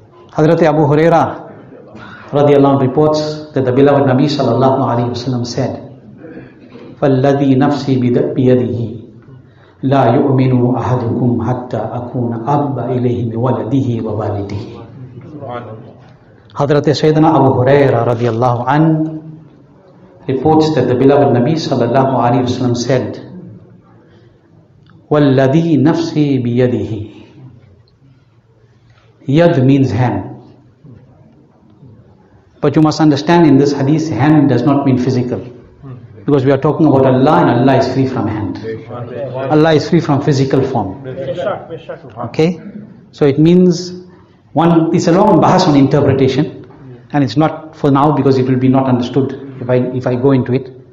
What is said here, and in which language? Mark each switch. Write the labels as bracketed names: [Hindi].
[English] Hazrat Abu Huraira radiallahu anhu reports that the beloved Nabi sallallahu alayhi wasallam said, [Arabic] فَالَّذِي نَفْسِي بِيَدِهِ لا يؤمن أحدكم حتى أكون أب إليه ولده ووالده. حضرت سيدنا أبو هريرة رضي الله عنه [English] reports that the beloved Nabi [Arabic] صلى الله عليه وسلم said, والذي نفسي بيده. [English] يد means hand. But you must understand in this hadith, hand does not mean physical. Because we are talking about Allah, and Allah is free from hand. Allah is free from physical form. Okay? So it means, one, it's a long bahas on interpretation, and it's not for now because it will be not understood if I go into it.